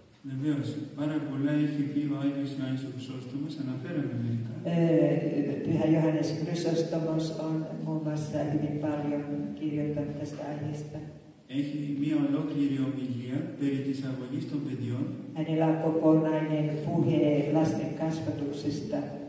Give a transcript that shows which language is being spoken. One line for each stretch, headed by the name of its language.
Greek: Βεβαίως, πάρα πολλά έχει πει ο Άγιος Ιωάννης ο Χρυσόστομος, αναφέραμε μερικά.
Finnish: Πυχα Ιωάννης Χρυσόστομος on muun muassa hyvin paljon kirjoittanut tästä aiheesta.
Greek: Έχει μία ολόκληρη ομιλία περί της αγωγής των παιδιών.
Finnish: Hänellä on kokonainen puhe lasten kasvatuksesta.